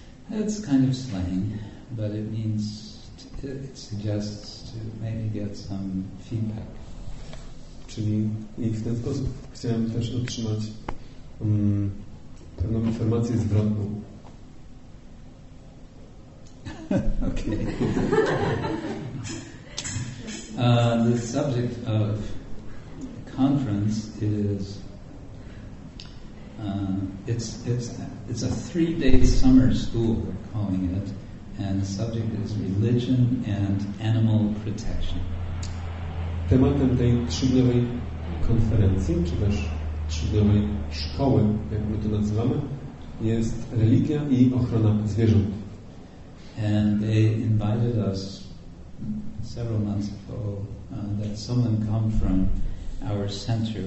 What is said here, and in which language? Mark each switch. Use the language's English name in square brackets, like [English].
[English] It's kind of slang, but it means it suggests to maybe get some feedback. [Polish] Czyli i w ten sposób chciałem też otrzymać pewną informację zwrotną. [English] Okay. The subject of the conference is it's a 3-day summer school, we're calling it, and the subject is religion and animal protection. [Polish] Tematem tej 3-dniowej konferencji, czy też 3-dniowej szkoły, jak my to nazywamy, jest religia i ochrona zwierząt. [English] And they invited us several months ago that someone come from our center.